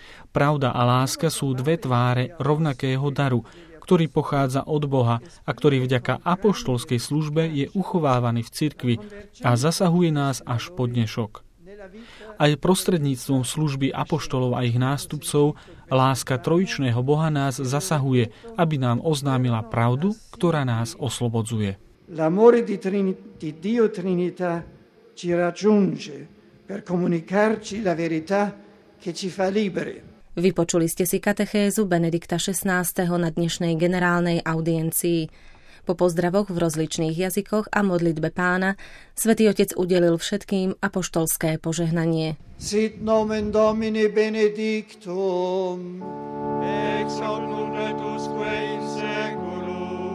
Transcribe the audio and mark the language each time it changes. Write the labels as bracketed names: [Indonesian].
[Slovak] Pravda a láska sú dve tváre rovnakého daru, ktorý pochádza od Boha a ktorý vďaka apoštolskej službe je uchovávaný v cirkvi a zasahuje nás až po dnešok. Aj prostredníctvom služby apoštolov a ich nástupcov láska trojičného Boha nás zasahuje, aby nám oznámila pravdu, ktorá nás oslobodzuje. [Italian] L'amore di Dio Trinità ci raggiunge per comunicarci la verità che ci fa liberi. [Slovak] Vypočuli ste si katechézu Benedikta XVI. Na dnešnej generálnej audiencii. Po pozdravoch v rozličných jazykoch a modlitbe pána, Svätý Otec udelil všetkým apoštolské požehnanie. [Latin] Sit nomen Domini benedictum, ex omnum retusque in seculum.